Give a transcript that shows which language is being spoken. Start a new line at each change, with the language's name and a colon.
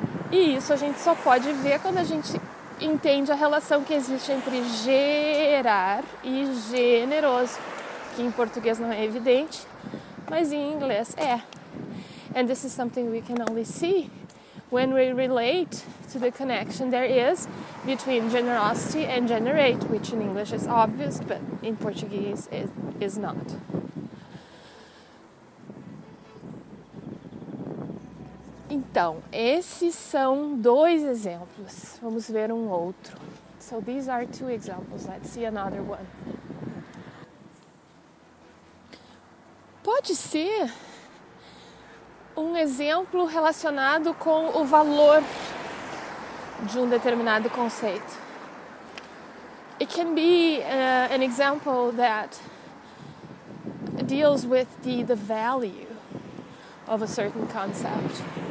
Portuguese: E isso a gente só pode ver quando a gente entende a relação que existe entre gerar e generoso, que em português não é evidente, mas em inglês é.
English: And this is something we can only see when we relate to the connection there is between generosity and generate, which in English is obvious, but in Portuguese it is not.
Portuguese: Então, esses são dois exemplos. Vamos ver um outro.
English: So these are two examples. Let's see another one.
Portuguese: Pode ser um exemplo relacionado com o valor de um determinado conceito.
English: It can be an example that deals with the value of a certain concept.